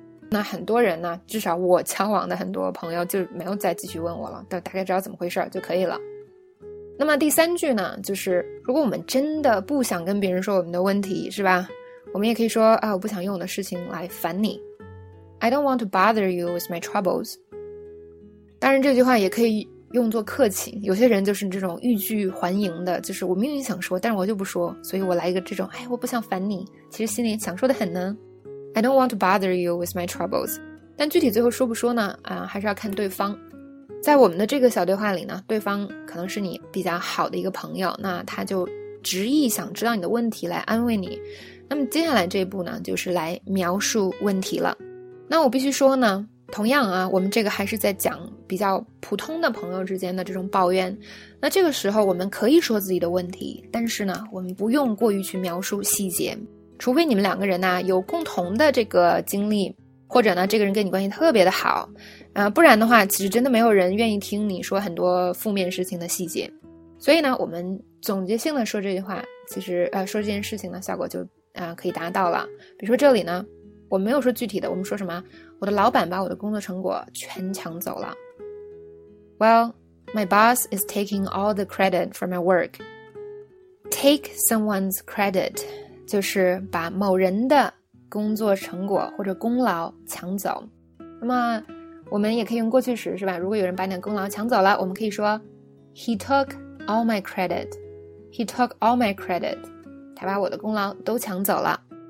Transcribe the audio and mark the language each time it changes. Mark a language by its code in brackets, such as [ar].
[zh] 那很多人呢，至少我交往的很多朋友就没有再继续问我了，但大概知道怎么回事就可以了。那么第三句呢，就是如果我们真的不想跟别人说我们的问题，是吧？我们也可以说啊，我不想用我的事情来烦你。 [en] I don't want to bother you with my troubles。 [zh] 当然这句话也可以用作客气，有些人就是这种欲拒还迎的，就是我明明想说，但是我就不说，所以我来一个这种，哎，我不想烦你，其实心里想说的很呢。 [en] I don't want to bother you with my troubles. [zh] 但具体最后说不说呢？还是要看对方。在我们的这个小对话里呢，对方可能是你比较好的一个朋友，那他就执意想知道你的问题来安慰你。那么接下来这一步呢，就是来描述问题了。那我必须说呢，同样啊，我们这个还是在讲比较普通的朋友之间的这种抱怨。那这个时候我们可以说自己的问题，但是呢，我们不用过于去描述细节。除非你们两个人呢、有共同的这个经历，或者呢这个人跟你关系特别的好，不然的话其实真的没有人愿意听你说很多负面事情的细节。所以呢我们总结性的说这句话，其实说这件事情呢效果就可以达到了。比如说这里呢我没有说具体的，我们说什么，我的老板把我的工作成果全抢走了。 [en] Well, my boss is taking all the credit for my work. Take someone's credit. [zh] 就是把某人的工作成果或者功劳抢走。那么我们也可以用过去时，是吧？如果有人把你的功劳抢走了，我们可以说 [en] He took all my credit. [zh] He took all my credit. 他把我的功劳都抢走了。